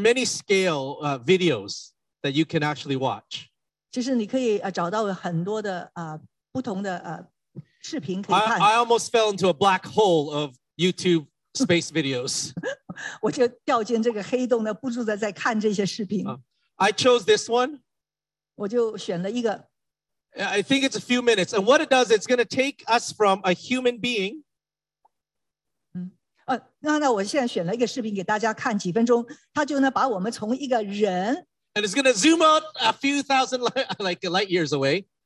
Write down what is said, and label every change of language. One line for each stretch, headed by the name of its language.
English: There are many scale videos that you can actually watch.
Chinese: 就是你可以找到很多的不同的视频可以看。
English: I almost fell into a black hole of YouTube space videos.
Chinese: 我就掉进这个黑洞呢，不住的在看这些视频。
English: I chose this one.
Chinese: 我就选了一个。
English: I think it's a few minutes. And what it does, it's going to take us from a human being.
Chinese: 那我现在选了一个视频给大家看几分钟，它就能把我们从一个人。
English: And it's going to zoom out a few thousand light years away.